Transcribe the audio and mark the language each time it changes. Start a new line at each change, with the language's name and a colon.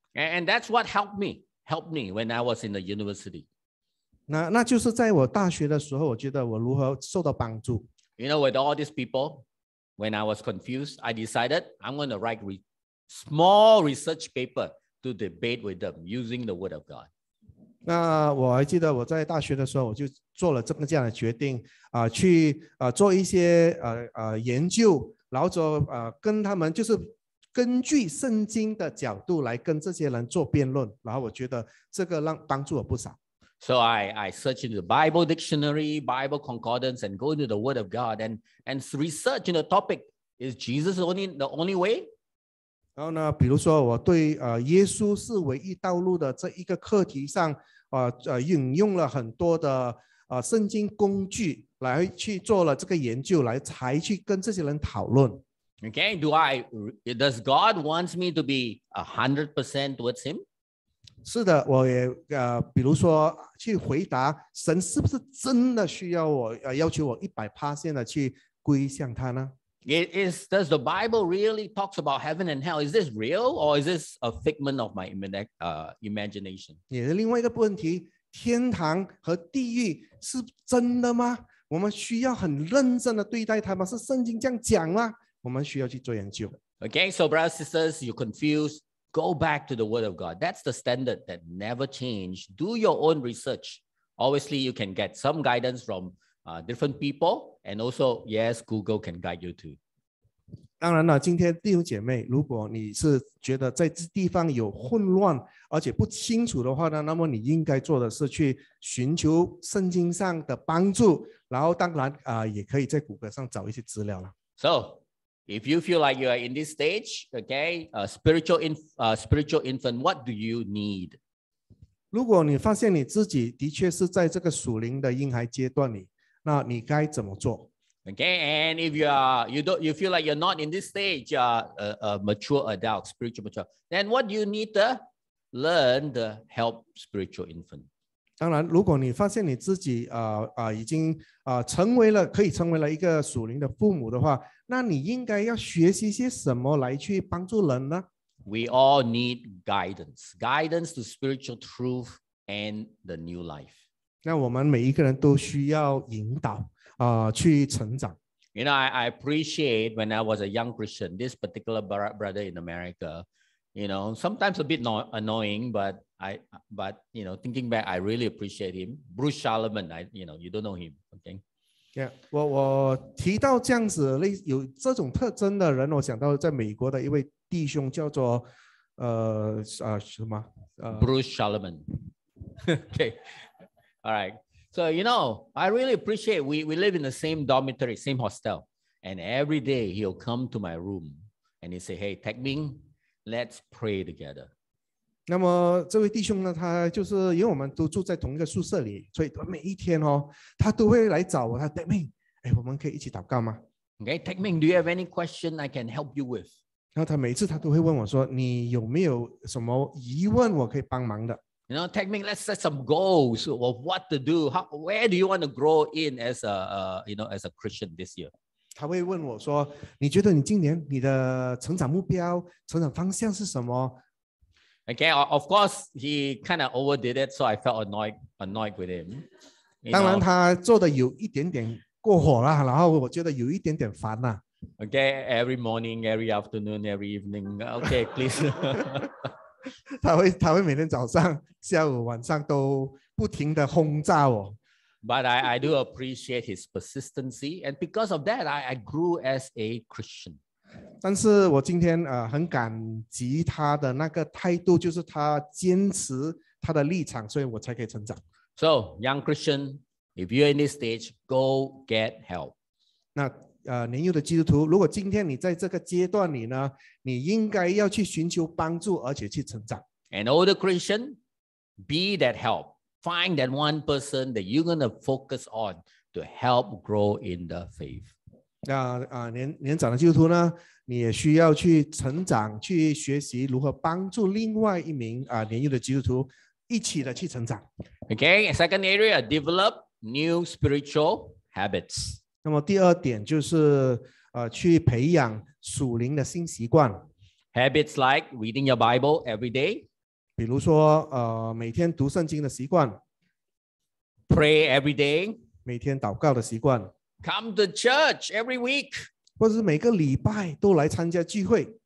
English: And that's what helped me when I was in the university.
Chinese: 那就是在我大学的时候，我觉得我如何受到帮助。
English: You know, with all these people, when I was confused, I decided I'm going to write small research paper to debate with them using the Word of God.
Chinese: 那我还记得我在大学的时候，我就做了这样的决定，去做一些研究，然后就跟他们就是根据圣经的角度来跟这些人做辩论，然后我觉得这个帮助我不少。
English: So I search into the Bible dictionary, Bible concordance, and go into the Word of God and research in the topic. Is Jesus the only way?
Chinese: 然后呢，比如说我对耶稣是唯一道路的这一个课题上，引用了很多的圣经工具来去做了这个研究，来才去跟这些人讨论。
English: Okay, does God wants me to be 100% towards Him?
Chinese: 是的，我也比如说去回答神是不是真的需要我要求我 100% 的去归向他呢？
English: Does the Bible really talks about heaven and hell? Is this real or is this a figment of my imagination?
Chinese: 也是另外一个问题，天堂和地狱是真的吗？我们需要很认真的对待它吗？是圣经这样讲吗？我们需要去做研究。
English: Okay, so brothers and sisters, you're confused. Go back to the Word of God. That's the standard that never changed. Do your own research. Obviously, you can get some guidance from different people. And also, yes, Google can guide you too.
Chinese: 当然了，今天弟兄姐妹，如果你是觉得在这地方有混乱，而且不清楚的话呢，那么你应该做的是去寻求圣经上的帮助，然后当然也可以在谷歌上找一些资料了。
English: So,If you feel like you are in this stage, okay, spiritual infant, what do you need?
Chinese: 如果你发现你自己的确是在这个属灵的婴孩阶段里，那你该怎么做？
English: Okay, and if you feel like you're not in this stage, a mature adult, spiritual mature, then what do you need to learn to help spiritual infant?
Chinese: 当然，如果你发现你自己已经成为了一个属灵的父母的话，那你应该要学习些什么来去帮助人呢？
English: We all need guidance to spiritual truth and the new life.
Chinese: 那我们每一个人都需要引导去成长。
English: You know, I appreciate when I was a young Christian, this particular brother in America, you know, sometimes a bit annoying, but you know, thinking back, I really appreciate him. Bruce Charlemagne, you know, you don't know him, okay?
Chinese: Yeah, 我提到这样子有这种特征的人，我想到在美国的一位弟兄叫做什么
English: Bruce Charlemagne. Okay, all right. So you know, I really appreciate we live in the same dormitory, same hostel, and every day he'll come to my room and he say, "Hey, Tech Ming, let's pray together."
Chinese: 那么这位弟兄呢，他就是因为我们都住在同一个宿舍里，所以每一天哦，他都会来找我。他 Tech Ming， 哎，我们可以一起祷告吗
English: ？Okay, Tech Ming, do you have any question I can help you with？
Chinese: 然后他每次他都会问我说，你有没有什么疑问我可以帮忙的
English: ？You know, Tech Ming, let's set some goals of what to do. Where do you want to grow in as a as a Christian this year？
Chinese: 他会问我说，你觉得你今年你的成长目标、成长方向是什么？
English: Okay, of course, he kind of overdid it, so I felt annoyed with him.
Chinese: 当然，他做的有一点点过火了，然后我觉得有一点点烦了。
English: Okay, every morning, every afternoon, every evening. Okay, please.
Chinese: 他会每天早上、下午、晚上都不停的轰炸我。
English: But I do appreciate his persistency, and because of that, I grew as a Christian.
Chinese: 但是我今天很感激他的那个态度，就是他坚持他的立场，所以我才可以成长。
English: So, young Christian, if you're in this stage, go get help.
Chinese: 那年幼的基督徒，如果今天你在这个阶段里呢，你应该要去寻求帮助，而且去成长。
English: An older Christian, be that help. Find that one person that you're going to focus on to help grow in the faith.
Chinese: 年长的基督徒呢，你也需要去成长，去学习如何帮助另外一名年幼的基督徒一起的去成长。
English: Okay, second area, develop new spiritual habits.
Chinese: 那么第二点就是去培养属灵的新习惯。
English: Habits like reading your Bible every day.
Chinese: 比如说每天读圣经的习惯。
English: Pray every day.
Chinese: 每天祷告的习惯。
English: Come to church every week.
Chinese: 或是每个礼拜都来参加聚会。